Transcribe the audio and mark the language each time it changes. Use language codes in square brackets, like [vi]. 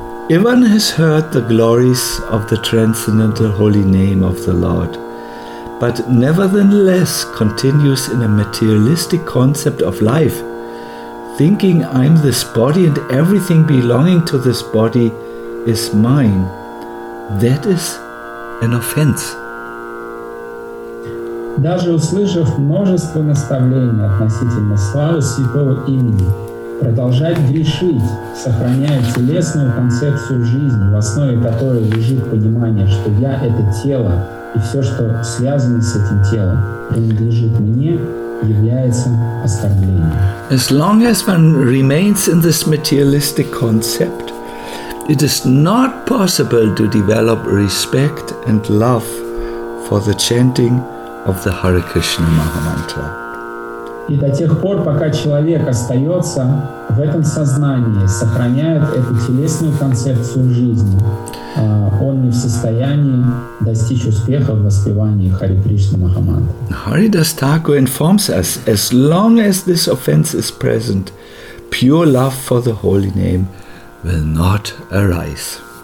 [en] Everyone has heard the glories of the transcendental holy name of the Lord, but nevertheless continues in a materialistic concept of life, thinking I'm this body and everything belonging to this body is mine. That is an offense. [ru] Даже услышав множество наставлений относительно славы святого имени, продолжать грешить, сохраняя телесную концепцию жизни, в основе которой лежит понимание, что я – это тело, и все, что связано с этим телом, принадлежит мне, является оскорблением. [en] As long as one remains in this materialistic concept, it is not possible to develop respect and love for the chanting of the Hare Krishna Mahamantra. [ru] И до тех пор, пока человек остается в этом сознании, сохраняет эту телесную концепцию жизни, он не в состоянии достичь успеха в воспевании Хари Кришны Махамантры. [en] Харидас Тхакур informs us, as long as this offense is present, pure love for the holy name will not arise.